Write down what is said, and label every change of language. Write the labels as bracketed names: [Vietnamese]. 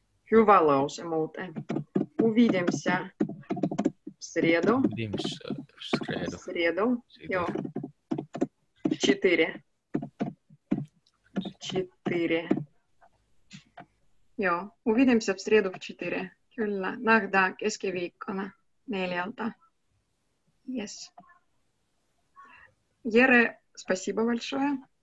[Finnish] Hyvä lause muuten. Увидимся в среду. [Russian] Увидимся в среду. В среду, joo. В четыре. Четыре. Joo, увидимся в среду в четыре. [Finnish] Kyllä, nähdään keskiviikkona 4:00. [English] Yes. [Russian] Jere, спасибо большое.